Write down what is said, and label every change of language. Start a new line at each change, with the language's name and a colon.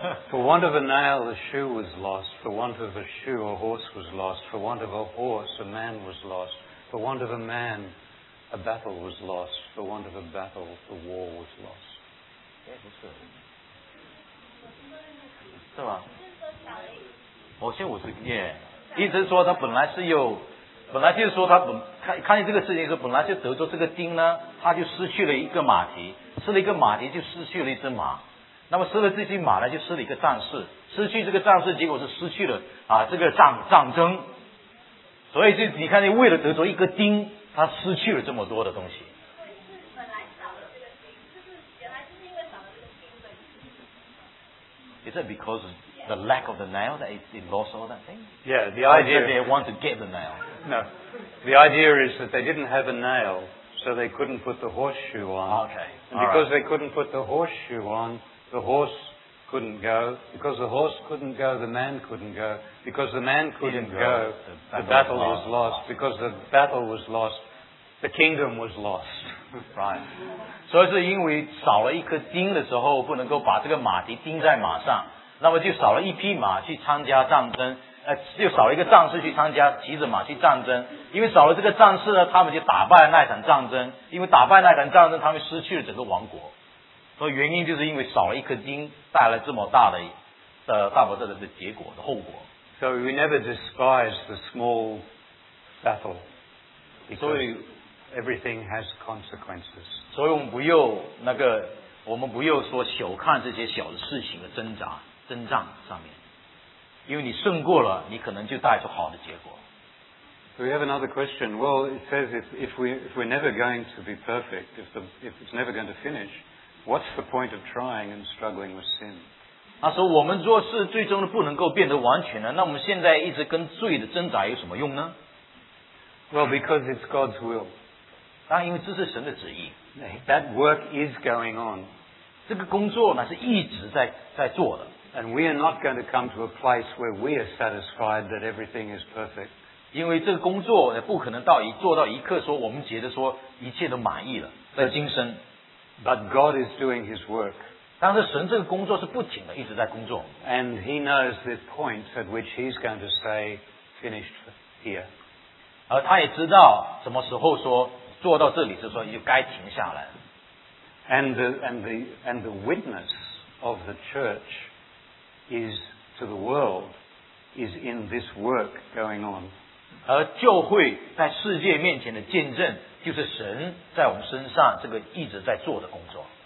English: For want of a nail, a shoe was lost. For want of a shoe, a horse was lost. For want of a horse, a man was lost. For want of a man, a battle was lost. For want of a battle, a war was lost.
Chinese: 是吗？我先五十页，一直说他本来是有，本来就是说他本看见这个事情是本来就得着这个钉呢，他就失去了一个马蹄，失了一个马蹄就失去了一只马，那么失了这匹马呢，就失了一个战士，失去这个战士，结果是失去了啊这个战争，所以就你看见为了得着一个钉，他失去了这么多的东西。
English: Is that because of the lack of the nail that it lost all that thing? Yeah, the idea... Or did they want to get the nail? No. The idea is that they didn't have a nail, so they couldn't put the horseshoe on. Okay. And because they couldn't put the horseshoe on, the horse couldn't go. Because the horse couldn't go, the man couldn't go. Because the man couldn't go, the battle was lost. Because the battle was lost, the kingdom was lost. Right.
Chinese: 所以是因为少了一颗钉的时候，不能够把这个马蹄钉在马上，那么就少了一匹马去参加战争，就少了一个战士去参加骑着马去战争。因为少了这个战士呢，他们就打败了那场战争。因为打败那场战争，他们失去了整个王国。所以原因就是因为少了一颗钉，带来这么大的大不得的结果的后果。
English: So we never despise the small battle. So everything has consequences.
Chinese: 所以我们不要那个，我们不要说小看这些小的事情的挣扎、征战上面，因为你胜过了，你可能就带出好的结果。
English: So we have another question. Well, it says if we're never going to be perfect, if it's never going to finish, what's the point of trying and struggling with sin?
Chinese: 他说我们做事最终不能够变得完全了，那我们现在一直跟罪的挣扎有什么用呢？
English: Well, because it's God's will.
Chinese: 当然因为这是神的旨意。
English: That work is going on.
Chinese: 这个工作呢是一直在做的。
English: And we are not going to come to a place where we are satisfied that everything is perfect.
Chinese: 因为这个工作不可能做到一刻说我们觉得说一切都满意了在今生。
English: But God is doing his work.
Chinese: 但是神这个工作是不停的一直在工作。
English: And he knows the point at which he's going to say finished here.
Chinese: 而他也知道什么时候说做到这里就说就该停下来。
English: And the witness of the church is to the world is in this work going on.
Chinese: 而教会在世界面前的见证就是神在我们身上这个一直在做的工作。